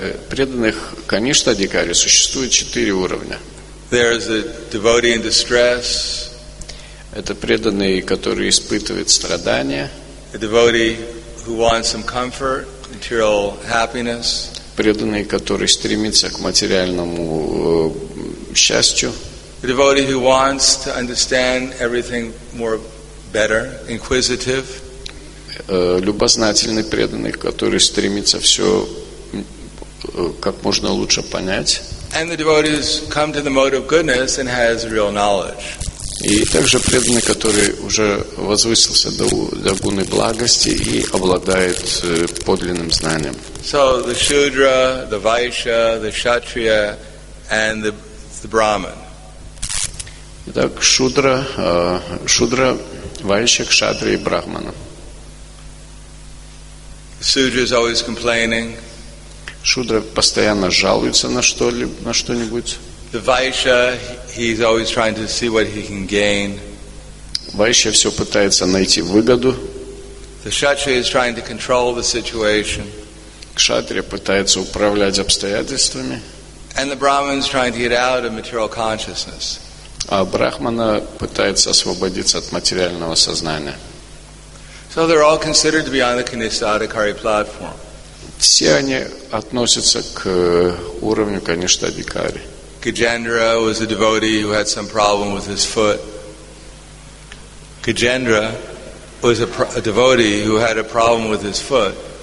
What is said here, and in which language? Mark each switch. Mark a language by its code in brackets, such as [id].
[ru] Преданных Каништа Адикари существует четыре уровня. [en] There is a devotee in distress. [ru] Это преданный, который испытывает страдания. [en] A devotee who wants some comfort, material happiness. [ru] Преданный, который стремится к материальному счастью. [en] A devotee who wants to understand everything more better, inquisitive. [ru] Любознательный преданный, который стремится все как можно лучше понять. [en] And the devotee has come to the mode of goodness and has real knowledge. [ru] И также преданный, который уже возвысился до гуны благости и обладает подлинным знанием. [en] So the Shudra, the Vaishya, the Kshatriya, and the Brahman. [ru] Итак, Шудра, Шудра, Вайшья, Кшатрия и Брахмана. [en] Shudra is always complaining. [ru] Шудра постоянно жалуется на что-нибудь. [en] The Vaishya, he's always trying to see what he can gain. [ru] Vaishya все пытается найти выгоду. [en] The Kshatriya is trying to control the situation. [ru] Кшатрия пытается управлять обстоятельствами. [en] And the Brahman is trying to get out of material consciousness. [ru] А Брахмана пытается освободиться от материального сознания. [en] So they're all considered to be on the Kanishtha Adhikari platform. [ru] Все они относятся к уровню Каништа Адикари. [en] Gajendra was a devotee who had some problem with his foot. Gajendra was a devotee who had a problem with his foot.